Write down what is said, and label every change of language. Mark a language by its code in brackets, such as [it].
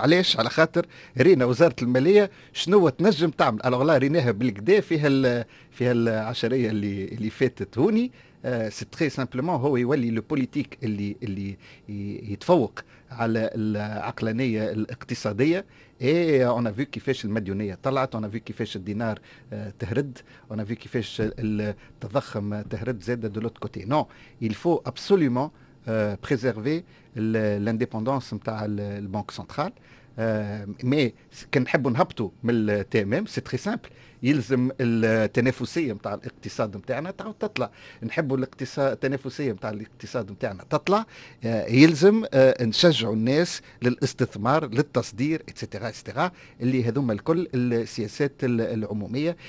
[ar] علاش؟ على خاطر رينا وزاره الماليه شنو تنجم تعمل الوغ لا ريناها بالكدا في العشريه اللي فاتت هوني [fr] سي تري سامبلومون [ar] هو يولي [fr] لو بوليتيك [ar] اللي يتفوق على العقلانيه الاقتصاديه. ايه انا في كيفاش المديونيه طلعت، انا في كيفاش الدينار تهرد، انا في كيفاش التضخم تهرد زاده [fr] دو لوت كوتي. [ar] نو [fr] il faut absolument préserver l'indépendance [ar] نتاع البنك سنترال. مي كان نحبوا نهبطوا من التمام [fr] سي تري سامبل، [ar] يلزم التنافسيه نتاع الاقتصاد نتاعنا تعاود تطلع. نحبوا الاقتصاد التنافسيه نتاع الاقتصاد نتاعنا تطلع يلزم نشجعوا الناس للاستثمار للتصدير ايتترا ايتترا اللي هذوما الكل السياسات العموميه.